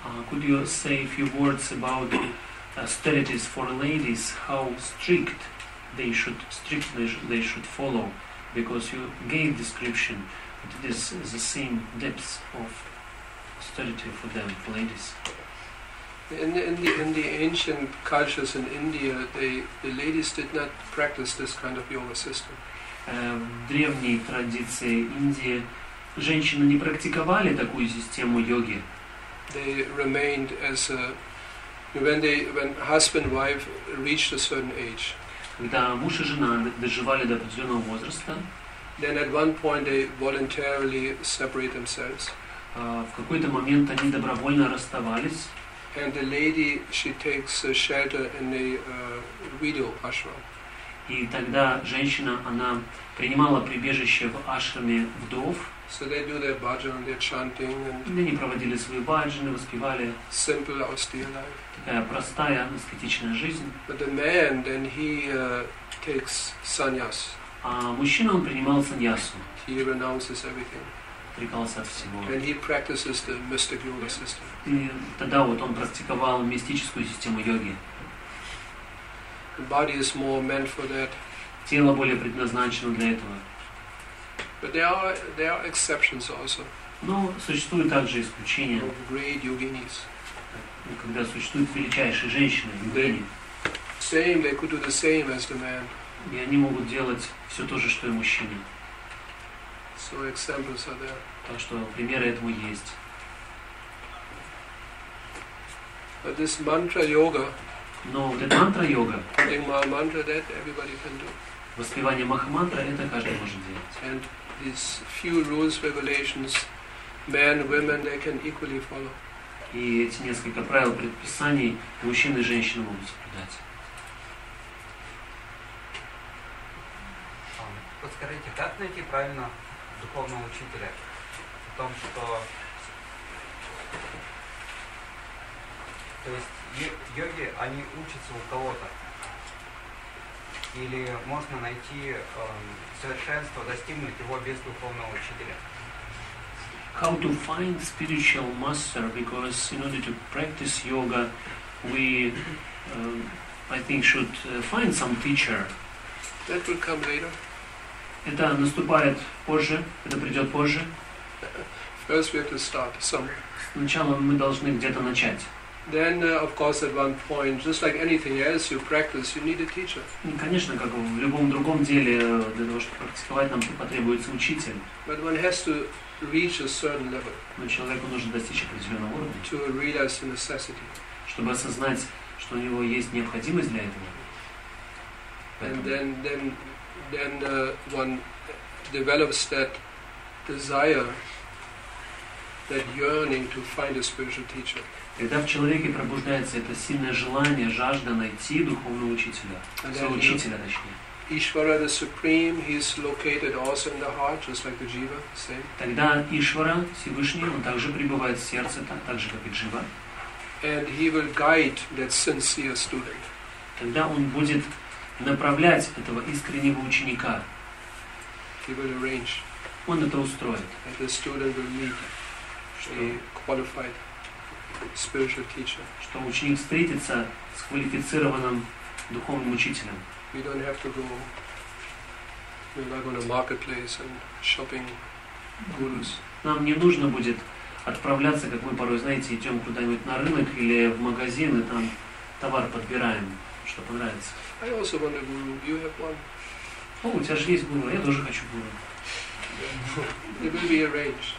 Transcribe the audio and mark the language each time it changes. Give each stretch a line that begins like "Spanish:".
English: Could you say a few words about austerities for ladies, how strict they should follow, because you gave description that it is the same depths of austerity for them, for ladies. In the ancient cultures in India, the ladies did not practice this kind of yoga system.
Russian: В древней традиции Индии женщины не практиковали такую систему йоги.
English: They remained as a When husband and wife reached a certain age,
Russian: когда муж и жена доживали до определенного возраста,
English: then at one point they voluntarily separate themselves.
Russian: В какой-то момент они добровольно расставались.
English: And the lady she takes shelter in a widow ashram.
Russian: И тогда женщина она принимала прибежище в ашраме вдов.
English: So they do their bhajan, their chanting, and
Russian: они проводили свои бхаджаны, воспевали.
English: Simple austere life.
Russian: Такая простая аскетичная жизнь.
English: But the man, then he takes sannyas.
Russian: А мужчина он принимал саньясу.
English: He renounces everything.
Russian: Отрекался от всего.
English: And he practices the mystic yoga system.
Russian: И тогда вот он практиковал мистическую систему йоги.
English: The body is more meant for that.
Russian: Тело более предназначено для этого.
English: But there are exceptions also.
Russian: Но существуют также исключения.
English: Of great yoginis.
Russian: Когда существуют величайшие женщины, йогини.
English: Same, they could do the same as the man.
Russian: И они могут делать все то же, что и мужчины.
English: So examples are there.
Russian: Так что примеры этому есть.
English: But this mantra yoga.
Russian: Но вот эта мантра йога.
English: Mantra, that everybody can do.
Russian: Воспевание махамантра это каждый может делать.
English: And these few rules, revelations, men, women, they can equally follow.
Russian: И эти несколько правил предписаний мужчины и женщины могут соблюдать. Подскажите, как найти правильно духовного учителя? В том, что... То есть йоги, они учатся у кого-то. Или можно найти совершенство, достигнуть его без духовного учителя?
English: How to find spiritual master, because in order to practice yoga, we, I think, should find some teacher. That will come later.
Russian: Это наступает позже, это придет позже.
English: First we have to start somewhere.
Russian: Сначала мы должны где-то начать.
English: Then, of course, at one point, just like anything else, you practice, you need a teacher.
Russian: Конечно, как в любом другом деле, для того, чтобы практиковать, нам потребуется учитель.
English: But one has to reach a certain level.
Russian: Но человеку нужно достичь определенного уровня.
English: To realize the necessity.
Russian: Чтобы осознать, что у него есть необходимость для этого.
English: And then one develops that desire, that yearning to find a spiritual teacher.
Russian: Когда в человеке пробуждается это сильное желание, жажда найти духовного учителя, своего учителя, точнее.
English: Ишвара, the supreme, he is located also in the heart, just like the Jiva, same.
Russian: Тогда Ишвара, Всевышний, он также пребывает в сердце, так же, как и Джива.
English: And he will guide that sincere student.
Russian: Тогда он будет направлять этого искреннего ученика.
English: He will arrange.
Russian: Он это устроит.
English: And the student will meet a qualified spiritual teacher.
Russian: Что ученик встретится с квалифицированным духовным учителем.
English: We don't have to go. We're not going to marketplace and shopping gurus.
Russian: Нам не нужно будет отправляться, как мы порой, знаете, идем куда-нибудь на рынок или в магазин и там товар подбираем, что понравится.
English: I also want a guru. You have one?
Russian: О, у тебя же есть гуру. Я тоже хочу гуру.
English: Yeah. It will be arranged.